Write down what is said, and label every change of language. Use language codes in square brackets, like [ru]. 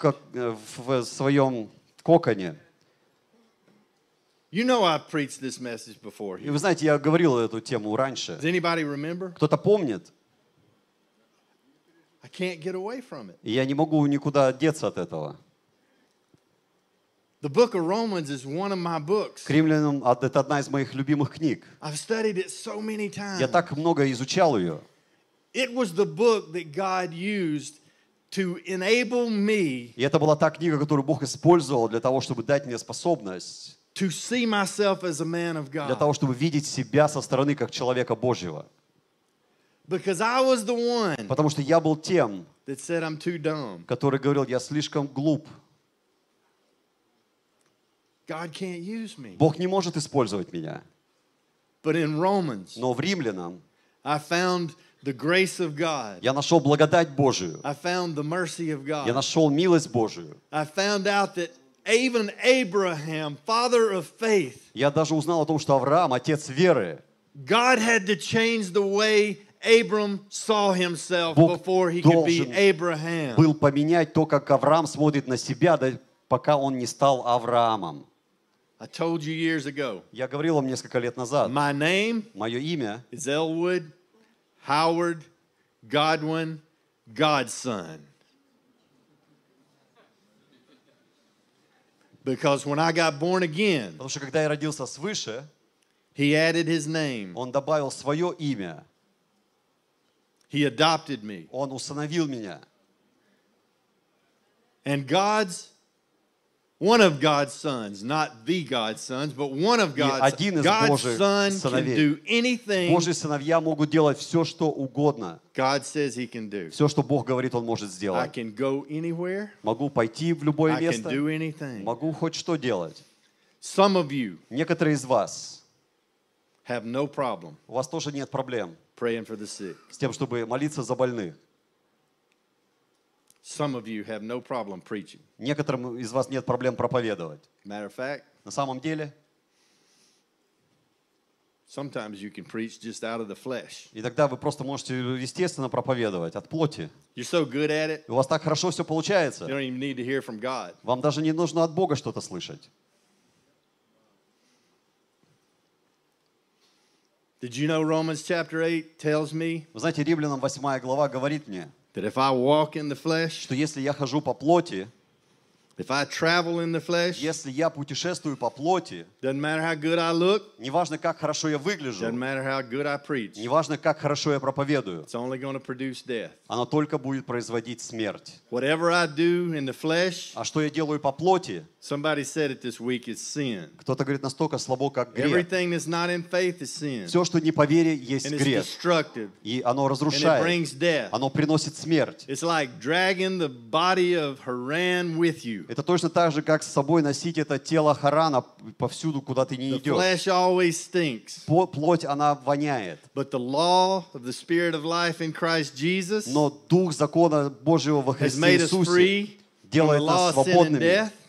[ru] Как в своем коконе. [en] You know I've preached this message before. [ru] Вы знаете, я говорил эту тему раньше. [en] Does anybody remember? [ru] Кто-то помнит? [en] I can't get away from it. [ru] Я не могу никуда деться от этого. [en] The book of Romans is one of my books. [ru] К Римлянам это одна из моих любимых книг. [en] I've studied it so many times. [ru] Я так много изучал ее. [en] It was the book that God used to enable me. [ru] И это была та книга, которую Бог использовал для того, чтобы дать мне способность. [en] To see myself as a man of God. [ru] Для того, чтобы видеть себя со стороны как человека Божьего. [en] Because I was the one. [ru] Потому что я был тем. [en] That said I'm too dumb. [ru] Который говорил, я слишком глуп. [en] God can't use me. [ru] Бог не может использовать меня. [en] But in Romans. [ru] Но в Римлянам. [en] I found the grace of God. [ru] Я нашел благодать Божию. [en] I found the mercy of God. [ru] Я нашел милость Божию. [en] I found out that even Abraham, father of faith. [ru] Я даже узнал о том, что Авраам, отец веры. [en] God had to change the way Abram saw himself before he could be Abraham. [ru] Бог должен был поменять то, как Авраам смотрит на себя, да, пока он не стал Авраамом. [en] I told you years ago. [ru] Я говорил вам несколько лет назад. [en] My name. [ru] Мое имя. [en] Is Elwood Howard Godwin Godson. Because when I got born again, [ru] потому что когда я родился свыше, [en] he added his name. [ru] Он добавил свое имя. [en] He adopted me. [ru] Он усыновил меня. [en] And God's one of God's sons, not the God's sons, but one of God's. God's son can do anything. [ru] Божьи сыновья могут делать все, что угодно. [en] God says he can do. [ru] Все, что Бог говорит, он может сделать. [en] I can go anywhere. [ru] Могу пойти в любое место. [en] I can do anything. [ru] Могу хоть что делать. [en] Some of you. [ru] Некоторые из вас. [en] Have no problem. [ru] У вас тоже нет проблем. [en] Praying for the sick. [ru] С тем, чтобы молиться за больных. [en] Some of you have no problem preaching. [ru] Некоторым из вас нет проблем проповедовать. [en] Matter of fact, [ru] на самом деле, [en] sometimes you can preach just out of the flesh. [ru] И тогда вы просто можете естественно проповедовать от плоти. [en] You're so good at it. [ru] У вас так хорошо все получается. [en] You don't even need to hear from God. [ru] Вам даже не нужно от Бога что-то слышать. [en] Did you know Romans chapter 8 tells me? [ru] Вы знаете, Римлянам 8 глава говорит мне. [en] That if I walk in the flesh, [ru] что если я хожу по плоти, [en] if I travel in the flesh, [ru] если я путешествую по плоти, [en] doesn't matter how good I look, [ru] не важно как хорошо я выгляжу, [en] doesn't matter how good I preach, [ru] не важно как хорошо я проповедую, [en] it's only going to produce death. [ru] Оно только будет производить смерть. [en] Whatever I do in the flesh, [ru] а что я делаю по плоти, [en] somebody said it this week, it's sin. [ru] Кто-то говорит настолько слабо, как грех. [en] Everything that's not in faith is sin. [ru] Все, что не по вере, есть грех. [en] And it's destructive. [ru] И оно разрушает. [en] And it brings death. [ru] Оно приносит смерть. [en] It's like dragging the body of Haran with you. [ru] Это точно так же, как с собой носить это тело Харана повсюду, куда ты не идешь. [en] The flesh always stinks. [ru] Плоть, она воняет. [en] But the law of the Spirit of life in Christ Jesus. [ru] Но дух закона Божьего во Христе Иисусе делает нас свободными.